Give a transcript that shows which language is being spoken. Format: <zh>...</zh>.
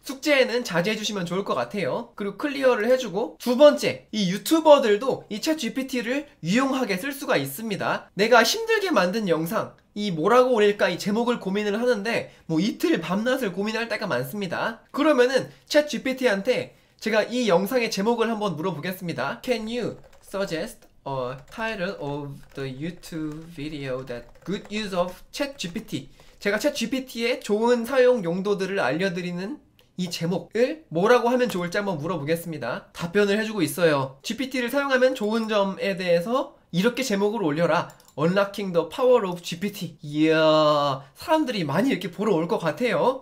<ko>숙제에는 자제해주시면 좋을 것 같아요. 그리고 클리어를 해주고 두 번째 이 유튜버들도 이 ChatGPT를 유용하게 쓸 수가 있습니다. 내가 힘들게 만든 영상 이 뭐라고 올릴까 이 제목을 고민을 하는데 뭐 이틀 밤낮을 고민할 때가 많습니다. 그러면은 ChatGPT한테 제가 이 영상의 제목을 한번 물어보겠습니다.</ko> <en>Can you suggest a title of the YouTube video that good use of ChatGPT?</en> <ko>제가 ChatGPT의 좋은 사용 용도들을 알려드리는 이 제목을 뭐라고 하면 좋을지 한번 물어보겠습니다. 답변을 해주고 있어요. GPT를 사용하면 좋은 점에 대해서 이렇게 제목을 올려라.</ko> <en>Unlocking the power of GPT.</en> <ko>이야 사람들이 많이 이렇게 보러 올 것 같아요.</ko>